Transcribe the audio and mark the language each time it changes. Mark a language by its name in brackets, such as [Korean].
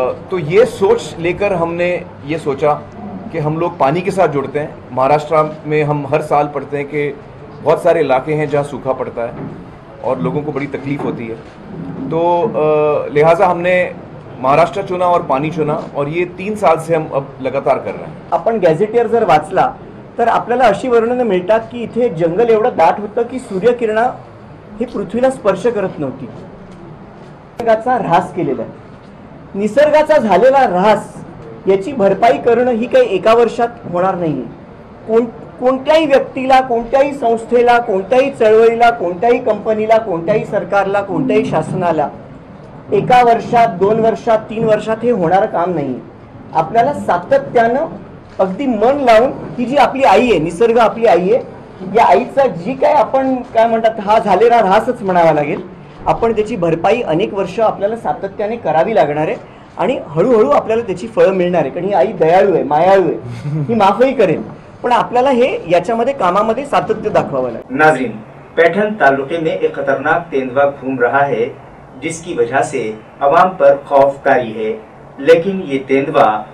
[Hindi] तो ये सोच लेकर हमने ये सोचा कि हम लोग पानी के साथ जुड़ते हैं। महाराष्ट्र में हम हर साल पढ़ते हैं कि बहुत सारे इलाके हैं जहाँ सूखा पड़ता है और लोगों को बड़ी तकलीफ़ होती है, तो लिहाजा हमने महाराष्ट्र चुना और पानी चुना, और ये 3 साल से हम अब लगातार कर रहे हैं। [Marathi] अपन गॅझेटियर जर वाचला तर आपल्याला अशी वर्णनं मिळतात की इथे जंगल एवढं दाट होतं की सूर्यकिरण ही पृथ्वीला स्पर्श करत नव्हती, निसर्गाचा ऱ्हास केलेला आहे, निसर्गाचा झालेला ऱ्हास याची भरपाई करणं ही काही एका वर्षात होणार नाही आहे। कोणत्याही व्यक्तीला, कोणत्याही संस्थेला, कोणत्याही चळवळीला, कोणत्याही कंपनीला, कोणत्याही सरकारला, कोणत्याही शासनाला एका वर्षात, 2 वर्षात, 3 वर्षात हे होणारं काम नाही आहे। आपल्याला सातत्यानं अगदी मन लावून, ही जी आपली आई आहे, निसर्ग आपली आई आहे, या आईचा जी काय आपण काय म्हणतात हा झालेला ऱ्हासच म्हणावा लागेल, आपण त्याची भरपाई अनेक वर्ष आपल्याला सातत्याने करावी लागणार आहे आणि हळूहळू आपल्याला त्याची फळं मिळणार आहे, कारण ही आई दयाळू आहे, मायाळू आहे, ही माफही करेल, पण आपल्याला हे याच्यामध्ये कामामध्ये सातत्य दाखवावं लागेल। [Hindi] नाजरीन, पैठण तालुके में एक खतरनाक तेंदुआ घूम रहा है जिसकी वजह से आवाम पर खौफकारी है, लेकिन ये तेंदुआ